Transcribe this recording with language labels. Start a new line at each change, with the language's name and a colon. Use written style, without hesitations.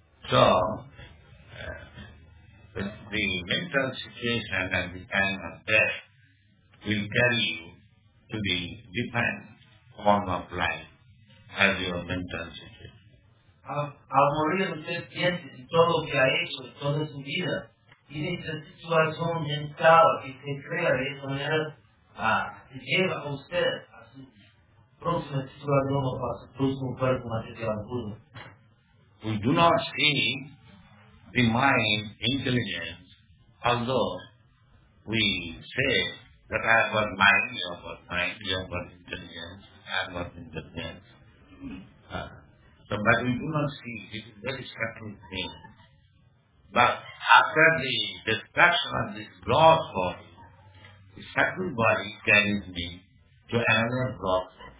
English: So, the mental situation at the time of death will carry you to the different form of life as your mental situation.
Spanish: Al morir usted siente todo lo que ha hecho en toda su vida y en esa situación mental que se crea de esa manera se lleva a usted a su próxima situación o a su próximo cuerpo material.
English: We do not see the mind intelligence, although we say that I have got mind, you have got mind, you have got intelligence, I have got intelligence. So, but we do not see it is a very subtle thing. But after the destruction of this gross body, the subtle body carries me to another gross